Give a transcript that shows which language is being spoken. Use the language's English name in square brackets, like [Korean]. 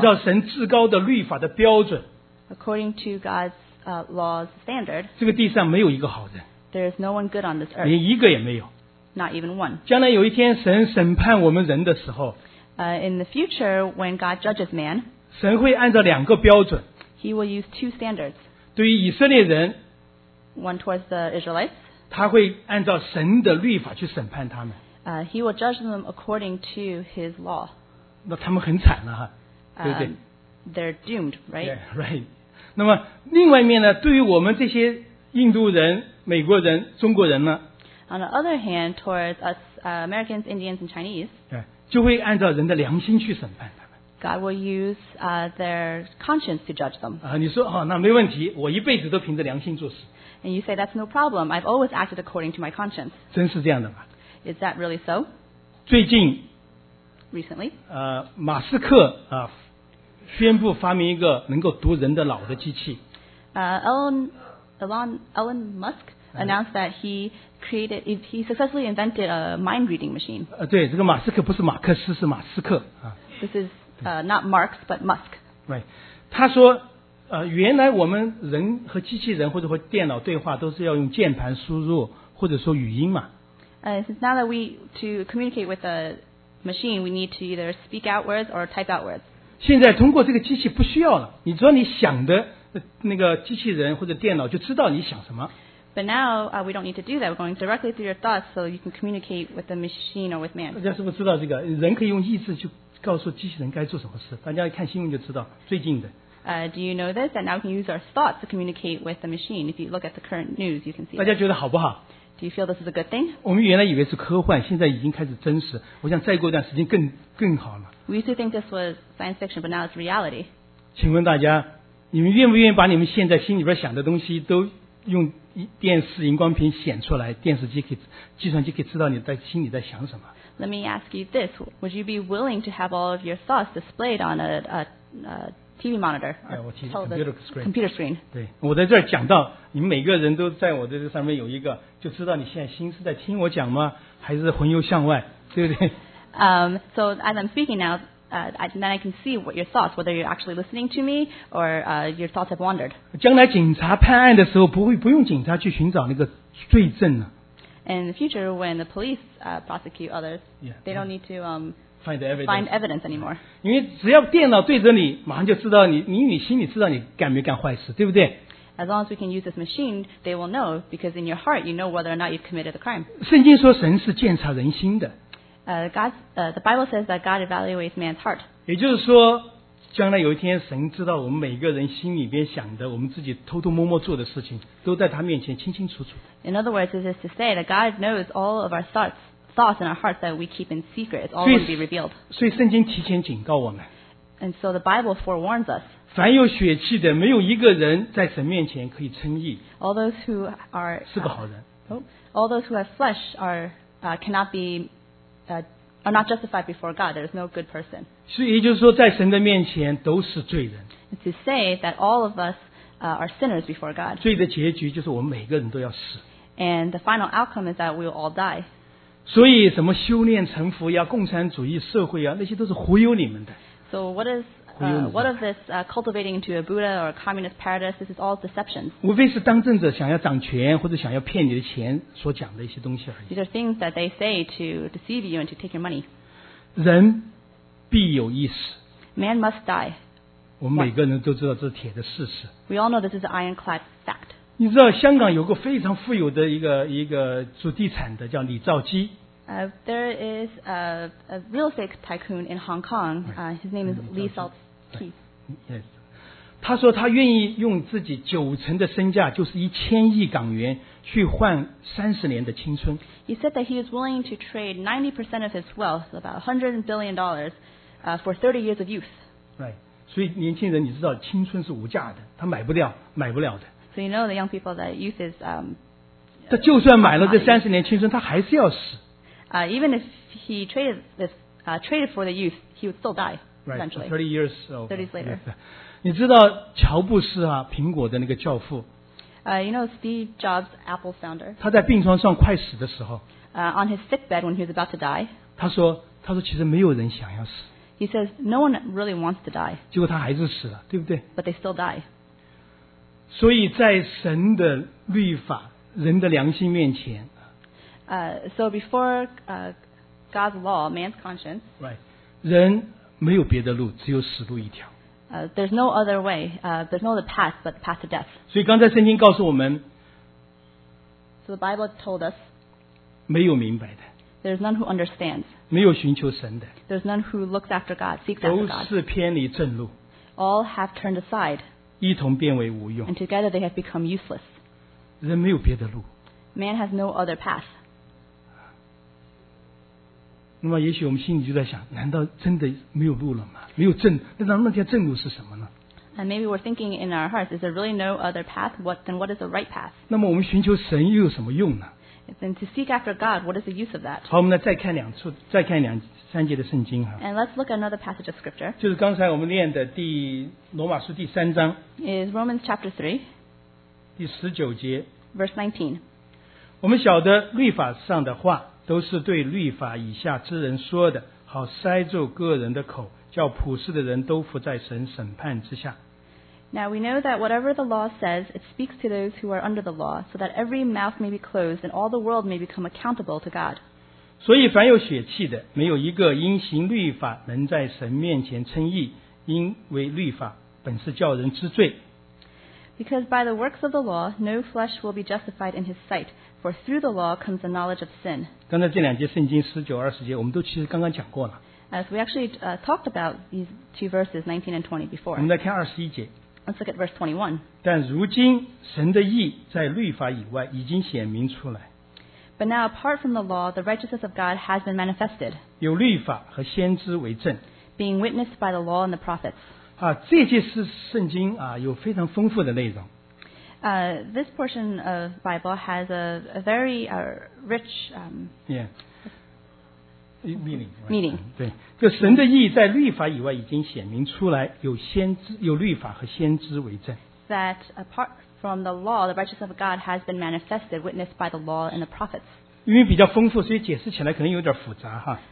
[Chinese] 按照神至高的律法的标准 [English] ，according to God's law's standard， [Chinese] 这个地上没有一个好人 [English] ，there is no one good on this earth， [Chinese] 连一个也没有 [English] ，not even one。 [Chinese] 将来有一天神审判我们人的时候 [English] ，in the future when God judges man， [Chinese] 神会按照两个标准 [English] ，he will use two standards。 [Chinese] 对于以色列人 [English] ，one towards the Israelites， [Chinese] 他会按照神的律法去审判他们。 [English] He will judge them according to his law. 那他们很惨了哈，对不对？ They're doomed, right? Yeah, right. [Chinese] 那么另外一面呢，对于我们这些印度人、美国人、中国人呢？ [English] On the other hand, towards us, Americans, Indians, and Chinese, [Chinese] 就会按照人的良心去审判他们。 [English] God will use their conscience to judge them. [Chinese] 你说哦，那没问题，我一辈子都凭着良心做事。 [English] And you say that's no problem. I've always acted according to my conscience. [Chinese] 真是这样的吗？ [English] Is that really so? [Chinese] 最近 [English] recently, [Chinese] 马斯克宣布发明一个能够读人的脑的机器。 [English] Elon Musk announced that he successfully invented a mind reading machine. [Chinese] 对，这个马斯克不是马克思，是马斯克。 [English] This is not Marx, but Musk. Right. [Chinese] 他说原来我们人和机器人或者和电脑对话都是要用键盘输入或者说语音嘛。 [English] Since now that we to communicate with a machine, we need to either speak out words or type out words. [Chinese] 现在通过这个机器不需要了，你只要你想的那个机器人或者电脑就知道你想什么。 [English] But now we don't need to do that. We're going directly through your thoughts, so you can communicate with the machine or with man. [Chinese] 大家是不是知道这个？人可以用意志去告诉机器人该做什么事？大家看新闻就知道，最近的。 [English] Do you know this? That now we can use our thoughts to communicate with the machine. If you look at the current news, you can see. [Chinese] 大家觉得好不好？ [English] Do you feel this is a good thing? [Chinese] 我们原来以为是科幻，现在已经开始真实。我想再过一段时间更好了。 [English] We used to think this was science fiction, but now it's reality. [Chinese] 请问大家，你们愿不愿意把你们现在心里边想的东西都用电视荧光屏显出来，电视机可以计算机可以知道你在心里在想什么 [English] ？Let me ask you this: Would you be willing to have all of your thoughts displayed on a TV monitor? Computer screen. [Chinese] 对，我在这儿讲到，你们每个人都在我的这上面有一个。就知道你现在心是在听我讲吗？还是魂游向外，对不对？ [English] So as I'm speaking now, then I can see what your thoughts, whether you're actually listening to me or your thoughts have wandered. [Chinese] 将来警察判案的时候，不用警察去寻找那个罪证了。 [English] In the future, when the police prosecute others, yeah, they don't need to find evidence anymore. [Chinese] 因为只要电脑对着你，马上就知道你心里知道你干没干坏事，对不对？ [English] As long as we can use this machine, they will know because in your heart you know whether or not you've committed a crime. [Chinese] 圣经说神是鉴察人心的。 [English] The Bible says that God evaluates man's heart. [Chinese] 也就是说，将来有一天神知道我们每个人心里边想的，我们自己偷偷摸摸做的事情，都在他面前清清楚楚。 [English] In other words, this is to say that God knows all of our thoughts in our hearts that we keep in secret. It's all going to be revealed. [Chinese] 所以圣经提前警告我们。 [English] And so the Bible forewarns us. [Chinese] 凡有血气的，没有一个人在神面前可以称义。 [English] All those who are [Chinese] 是个好人。 [English] All those who have flesh are not justified before God. There is no good person. [Chinese] 所以也就是说，在神的面前都是罪人。 [English] It's to say that all of us are sinners before God. [Chinese] 罪的结局就是我们每个人都要死。 [English] And the final outcome is that we will all die. [Chinese] 所以什么修炼成佛呀、共产主义社会呀，那些都是忽悠你们的。 [English] So what is what of this cultivating into a Buddha or a communist paradise? This is all deceptions. [Chinese] 无非是当政者想要掌权或者想要骗你的钱所讲的一些东西而已。 [English] These are things that they say to deceive you and to take your money. [Chinese] 人必有一死。 [English] Man must die. [Chinese] 我们每个人都知道这是铁的事实。 [English] We all know this is an ironclad fact. [Chinese] 你知道香港有个非常富有的一个做地产的叫李兆基。 [English] There is a real estate tycoon in Hong Kong. His name is Lee Saltzke. Yes. [Chinese] 他说他愿意用自己九成的身价，就是1000亿港元，去换30年的青春。 [English] He said that he is willing to trade 90% of his wealth, about $100 billion, for 30 years of youth. Right. [Chinese] 所以年轻人，你知道青春是无价的，他买不掉，买不了的。 [English] So you know the young people that youth is. [Chinese] 他就算买了这30年青春，他还是要死。 [English] Even if he traded traded for the youth, he would still die eventually. Right, 30 years later. [Chinese] 你知道乔布斯啊，苹果的那个教父。 [English] You know Steve Jobs, Apple founder. [Chinese] 他在病床上快死的时候。 [English] On his sick bed when he was about to die. [Chinese] 他说其实没有人想要死。 [English] He says no one really wants to die. [Chinese] 结果他还是死了，对不对？ [English] But they still die. [Chinese] 所以在神的律法、人的良心面前。 [English] So before God's law, man's conscience. Right. [Chinese] 人没有别的路，只有死路一条。 [English] There's no other way. There's no other path but the path to death. [Chinese] 所以刚才圣经告诉我们。 [English] So the Bible told us. [Chinese] 没有明白的。 [English] There's none who understands. [Chinese] 没有寻求神的。 [English] There's none who looks after God, seeks after God. [Chinese] 都是偏离正路。 [English] All have turned aside. [Chinese] 一同变为无用。 [English] And together they have become useless. [Chinese] 人没有别的路。 [English] Man has no other path. [Chinese] 那么也许我们心里就在想，难道真的没有路了吗？没有正，那条正路是什么呢？ [English] And maybe we're thinking in our hearts, is there really no other path? What is the right path? [Chinese] 那么我们寻求神又有什么用呢？ [English] And to seek after God, what is the use of that? [Chinese] 好，我们再看两处，再看两三节的圣经哈。 [English] And let's look at another passage of scripture. [Chinese] 就是刚才我们念的第罗马书第三章。 [English] Is Romans chapter 3. [Chinese] 第十九节。 [English] Verse 19. [Chinese] 我们晓得律法上的话。都是对律法以下之人说的，好塞住个人的口，叫普世的人都伏在神审判之下。 [English] Now we know that whatever the law says, it speaks to those who are under the law, so that every mouth may be closed and all the world may become accountable to God. [Chinese] 所以凡有血气的，没有一个因行律法能在神面前称义，因为律法本是叫人知罪。 [English] Because by the works of the law, no flesh will be justified in his sight. For through the law comes the knowledge of sin. [Chinese] 刚才这两节圣经十九二十节，我们都其实刚刚讲过了。 [English] As we actually talked about these two verses 19 and 20 before. [Chinese] 我们来看二十一节。 [English] Let's look at verse 21. [Chinese] 但如今神的义在律法以外已经显明出来。 [English] But now apart from the law, the righteousness of God has been manifested. [Chinese] 有律法和先知为证。 [English] Being witnessed by the law and the prophets. [Chinese] 啊，这些是圣经啊，有非常丰富的内容。 [English] This portion of the Bible has a very rich meaning. [Chinese] 对，就神的义在律法以外已经显明出来，有先知，有律法和先知为证。 [English] That apart from the law, the righteousness of God has been manifested, witnessed by the law and the prophets. [Chinese] 因为比较丰富，所以解释起来可能有点复杂哈。